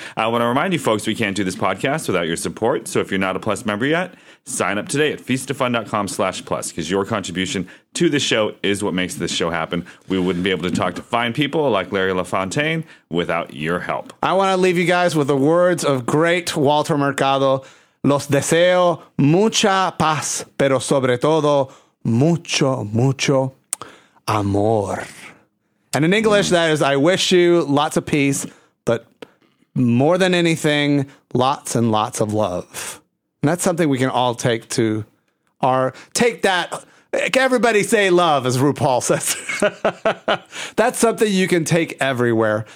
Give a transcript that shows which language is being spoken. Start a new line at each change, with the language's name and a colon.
English: I want to remind you folks, we can't do this podcast without your support. So if you're not a Plus member yet, sign up today at feastoffun.com/plus, because your contribution to the show is what makes this show happen. We wouldn't be able to talk to fine people like Larry LaFontaine without your help. I want to leave you guys with the words of great Walter Mercado.
Spanish: Los deseo mucha paz, pero sobre todo mucho, mucho amor.
English: And in English, that is, I wish you lots of peace, but more than anything, lots and lots of love. And that's something we can all take to our, take that, everybody say love, as RuPaul says. That's something you can take everywhere.